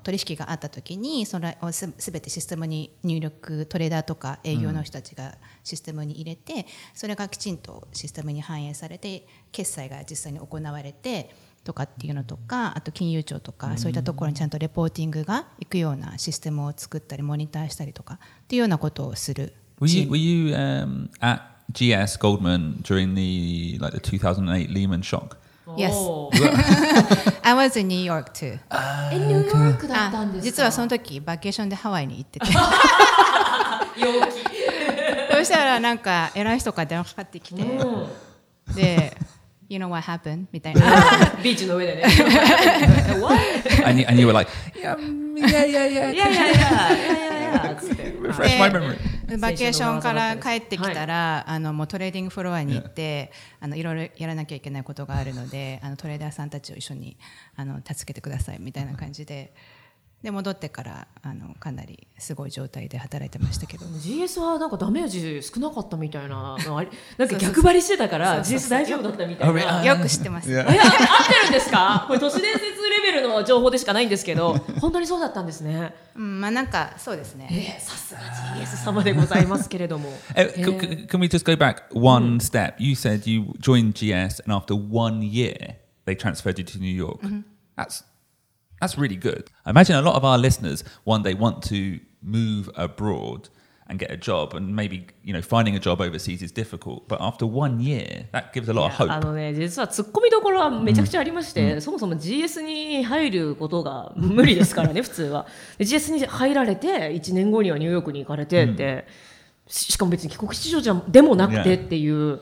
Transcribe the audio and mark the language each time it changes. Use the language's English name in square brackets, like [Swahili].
[Japanese] 取引があった時にそれを全てシステムに入力、トレーダーとか営業の人たちがシステムに入れて、うん、それがきちんとシステムに反映されて決済が実際に行われてとかっていうのとか、あと金融庁とかそういったところにちゃんとレポーティングが行くようなシステムを作ったりモニターしたりとかっていうようなことをするチーム。 [English] Were you at GS Goldman during the like the 2008 Lehman shock? Yes. I was in New York too. [Japanese] In New York だったんですか？実はその時バケーションでハワイに行ってて。陽気。そしたらなんか偉い人から電話かかってきて、で。 [English] You know what happened? みたいな。 [Japanese] ビーチの上でね。 [English] What? And you were like, yeah. Refresh my memory. [Japanese] バケーションから帰ってきたら、もうトレーディングフロアに行って、いろいろやらなきゃいけないことがあるので、トレーダーさんたちを一緒に助けてくださいみたいな感じで、で戻ってからかなりすごい状態で働いてましたけど、 GS はなんかダメージ少なかったみたいな、なんか逆張りしてたから、そうそうそう、GS 大丈夫だったみたいな、そうそうそう、よく知ってます、 yeah. 合ってるんですか？これ都市伝説レベルの情報でしかないんですけど、本当にそうだったんですね。うん、まあなんかそうですね、さすが GS 様でございますけれども。 [English] Can we just go back one step? You said you joined GS and after one year they transferred you to New York. That's really good. I imagine a lot of our listeners, one, they want to move abroad and get a job, and maybe, you know, finding a job overseas is difficult. But after one year, that gives a lot of hope. [Japanese] ね、実はツッコミどころはめちゃくちゃありまして、そもそも GS に入ることが無理ですからね、普通は。 GS に入られて、1年後にはニューヨークに行かれてって、しかも別に帰国子女じゃでもなくてっていう。